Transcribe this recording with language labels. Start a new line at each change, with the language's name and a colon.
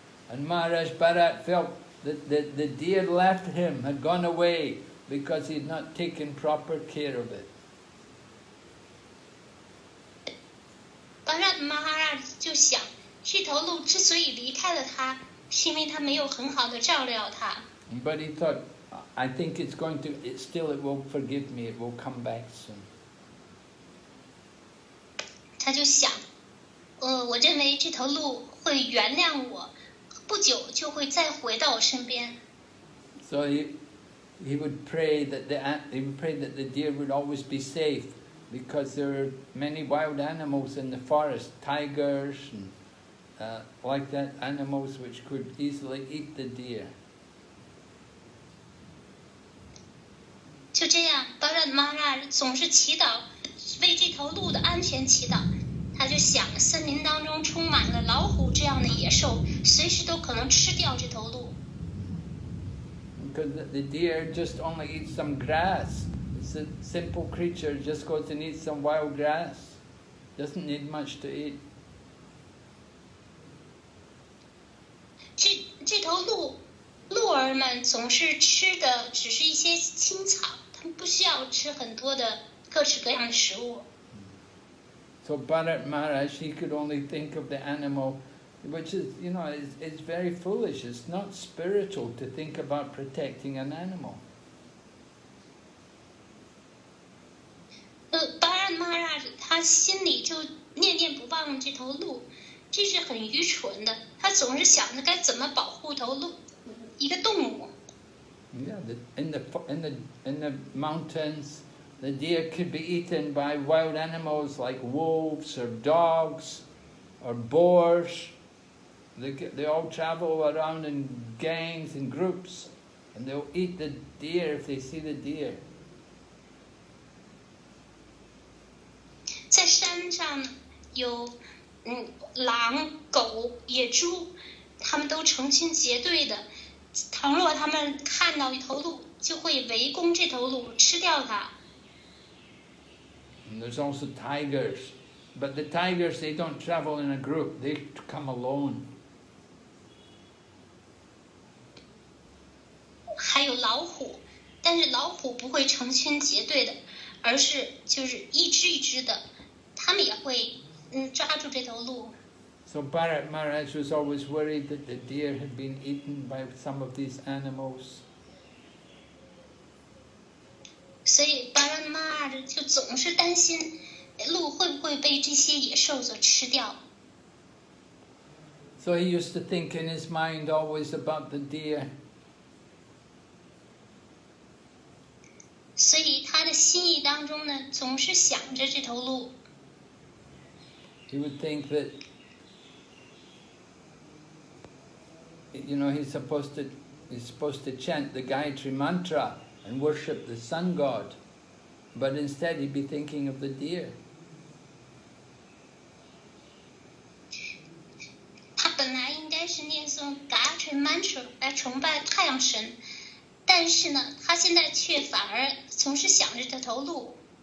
English: And Maharaj Bharat felt that the deer left him, had gone away because he'd not taken proper care of it.
Chinese: Bharat Maharaj 就想，这头鹿之所以离开了他，是因为他没有很好的照料他。
English: But he thought, I think it's going to, it still it will forgive me, it will come back soon.
Chinese: 他就想，我认为这头鹿会原谅我，不久就会再回到我身边。
English: So he would pray that the deer would always be safe, because there are many wild animals in the forest, tigers and like that, animals which could easily eat the deer.
Chinese: 就这样，巴拉玛拉总是祈祷，为这头鹿的安全祈祷。他就想，森林当中充满了老虎这样的野兽，随时都可能吃掉这头鹿。
English: Because the deer just only eats some grass. It's a simple creature, just goes and eats some wild grass. Doesn't need much to eat.
Chinese: 这头鹿儿们总是吃的只是一些青草，它们不需要吃很多的各式各样的食物。
English: So Bharat Maharaj, he could only think of the animal, which is, you know, it's very foolish. It's not spiritual to think about protecting an animal.
Chinese: Bharat Maharaj, 他心里就念念不忘这头鹿，这是很愚蠢的。他总是想着该怎么保护头鹿，一个动物。
English: Yeah, in the mountains. The deer could be eaten by wild animals like wolves or dogs or boars. They all travel around in gangs and groups, and they'll eat the deer if they see the deer.
Chinese: 在山上有狼、狗、野猪，他们都成群结队的。倘若他们看到一头鹿，就会围攻这头鹿，吃掉它。
English: And there's also tigers, but the tigers, they don't travel in a group, they come alone.
Chinese: 还有老虎，但是老虎不会成群结队的，而是就是一只一只的，他们也会抓住这头鹿。
English: So Bharat Maharaj was always worried that the deer had been eaten by some of these animals.
Chinese: 所以巴拉玛拉就总是担心鹿会不会被这些野兽所吃掉。
English: So he used to think in his mind always about the deer.
Chinese: 所以他的心意当中呢，总是想着这头鹿。
English: He would think that, you know, he's supposed to chant the Gayatri mantra. And worship the sun god, but instead he'd be thinking of the deer.
Chinese: 他本来应该是念诵噶尔曼舍来崇拜太阳神，但是呢，他现在却反而总是想着这头鹿。